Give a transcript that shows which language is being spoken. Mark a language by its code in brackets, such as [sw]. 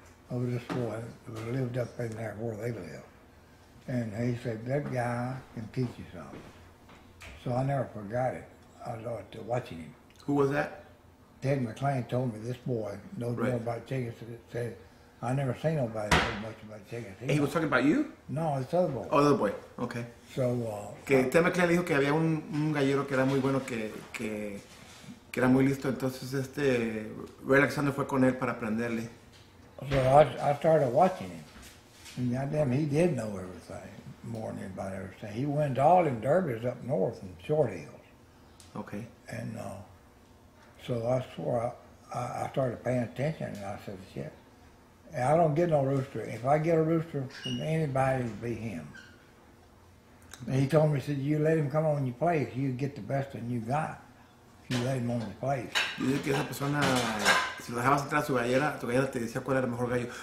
[en] of this boy who lived up in there where they lived. And he said, that guy can teach you something. So I never forgot it. I loved to watching him. Who was that? Ted McLean told me this boy knows right. more about chickens. Said, I never seen nobody know much about chickens. He was talking about you? No, this other boy. Oh, the other boy. Okay. So, [es] Que Ted McLean dijo que había un gallero que era muy bueno, que era muy listo. Entonces, Ray Alexander fue con él para aprenderle. [en] So I started watching him. And goddamn, he did know everything more than anybody ever said. He wins all them derbies up north in Short Hills. Okay. And so I swore I started paying attention and I said, shit, I don't get no rooster. If I get a rooster from anybody, it'll be him. And he told me, he said, you let him come on your place, you get the best one you got. You let him on the place. [es] Dice que esa persona, si lo dejabas entrar a tu gallera te decía cuál era el mejor gallo.